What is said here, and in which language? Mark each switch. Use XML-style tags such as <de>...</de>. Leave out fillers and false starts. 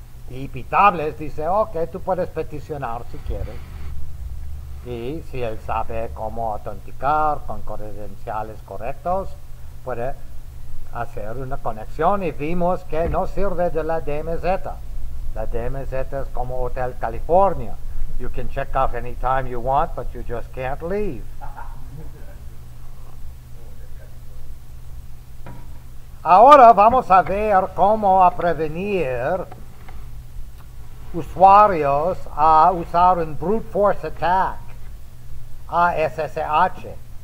<es>Y Pitables dice, ok, tú puedes peticionar si quieres. Y si él sabe cómo autenticar con credenciales correctos, puede hacer una conexión. Y vimos que no sirve de la DMZ. La DMZ es como Hotel California.</es> <en>You can check out anytime you want, but you just can't leave.</en> <es>Ahora vamos a ver cómo a prevenir usuarios a usar un brute force attack a SSH.</es>